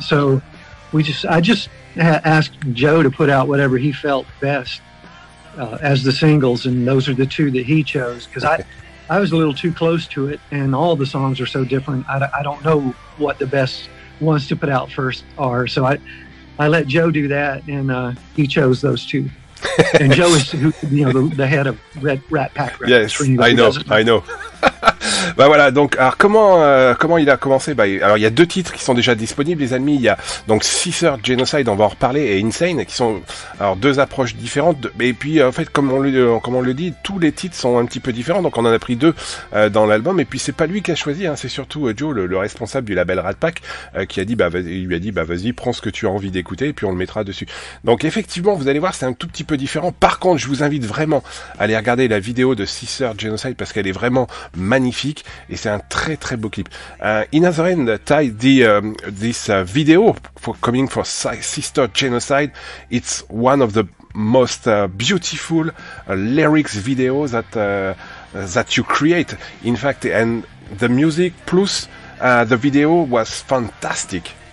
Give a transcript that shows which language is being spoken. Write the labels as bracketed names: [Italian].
[English] So I just asked Joe to put out whatever he felt best as the singles, and those are the two that he chose, because I was a little too close to it, and all the songs are so different. I don't know what the best ones to put out first are, so I let Joe do that, and he chose those two. And Joe is, you know, the head of Rat Pak Records. Yes, I know. [French] Bah voilà, donc alors comment il a commencé? Bah alors il y a deux titres qui sont déjà disponibles, les amis. Il y a donc Scissor Genocide, on va en reparler, et Insane, qui sont alors deux approches différentes. Et puis en fait, comme on le dit, tous les titres sont un petit peu différents. Donc on en a pris deux dans l'album. Et puis c'est pas lui qui a choisi, hein, c'est surtout Joe, le responsable du label Rat Pak, qui a dit vas-y, prends ce que tu as envie d'écouter et puis on le mettra dessus. Donc effectivement, vous allez voir, c'est un tout petit peu différent. Par contre, je vous invite vraiment à aller regarder la vidéo de Scissor Genocide parce qu'elle est vraiment magnifique. Et c'est un très très beau clip. [English] In other end, Ty, this video for coming for Sister Genocide, it's one of the most beautiful lyrics video that you create. In fact, and the music plus the video was fantastic.